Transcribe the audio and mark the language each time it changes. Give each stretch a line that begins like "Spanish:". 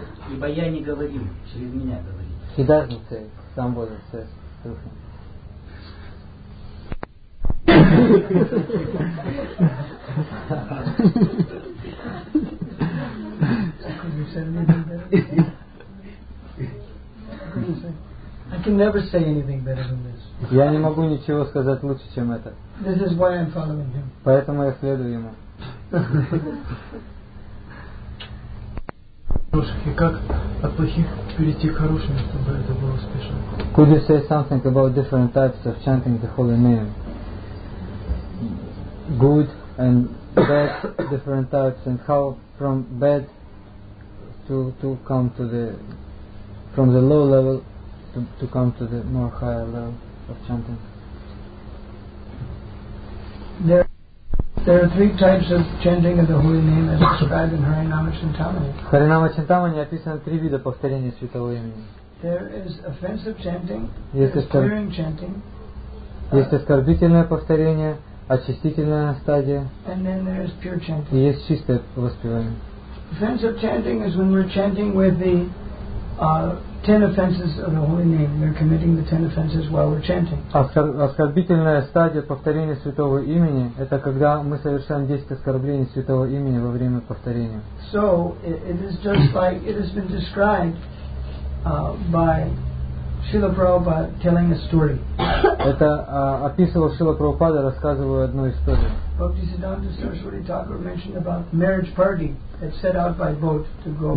Russian: Ибо я не говорю, через меня говорит.
English: He doesn't say, somebody says. I can never say anything better than this.
Russian: Я не могу ничего сказать лучше, чем это.
English: This is why I'm following him.
Russian: Поэтому я следую ему. И как от плохих перейти к хорошим, чтобы это было успешно?
English: Could you say something about different types of chanting the holy name? Good and bad, different types, and how from bad to come to the from the low level to come to the more higher level of chanting? There are three types of chanting of the holy name as described in Harinama Chintamani.
Russian: Описано три вида повторения святого имени.
English: There is offensive chanting, clearing chanting.
Russian: Есть оскорбительное повторение, очистительная стадия.
English: And then there is pure chanting.
Russian: Есть чистое воспевание.
English: Offensive chanting is when we're chanting with the ten offenses of the holy name. We're committing the ten offenses while we're chanting.
Russian: Оскорбительная стадия повторения святого имени – это когда мы совершаем 10 оскорблений святого имени во время повторения.
English: So it is just like it has been described by Srila Prabhupada telling a story.
Russian: Это описывал Шрила Прабхупада, рассказывая одну историю.
English: Bhaktisiddhanta Saraswati Thakur mentioned about marriage party that set out by boat to go.